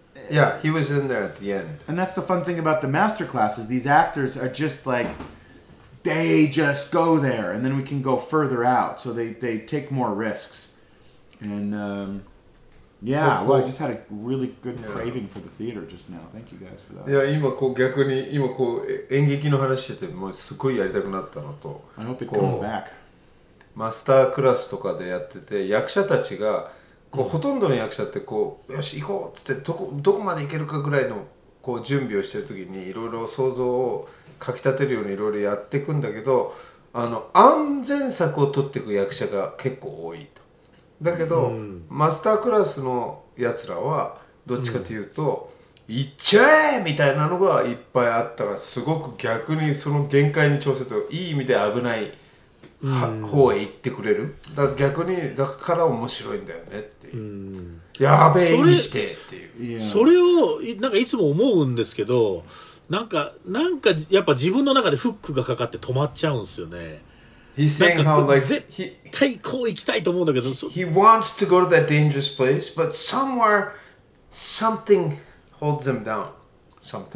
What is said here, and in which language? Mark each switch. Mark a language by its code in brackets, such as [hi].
[en] Yeah, he was in there at the end. And that's the fun thing about the masterclasses. These actors are just like, they just go there, and then we can go further out. So they take more risks. And I just had a really good craving for the theater just now. Thank you guys for that. [ja] Yeah, 今こう逆に今こう演劇の話しててもうすごいやりたくなったのと。 [en] I hope it comes back. [ja] マスタークラスとかでやってて役者たちが。こうほとんどの役者ってこうよし行こうっつってどこまで行けるかぐらいのこう準備をしてる時にいろいろ想像をかきたてるようにいろいろやっていくんだけど、あの安全策を取っていく役者が結構多いと。だけど、マスタークラスのやつらはどっちかというと、行っちゃえみたいなのがいっぱいあったから、すごく逆にその限界に挑戦といい意味で危ない方へ行ってくれる。だから逆にだから面白いんだよねっていう、やべえにしてっていう、それをなんかいつも思うんですけど、なんかやっぱ自分の中でフックがかかって止まっちゃうんですよね。なんか絶対こう行きたいと思うんだけど、 [en] He wants to go to that dangerous place, but somewhere something holds him down sometimes.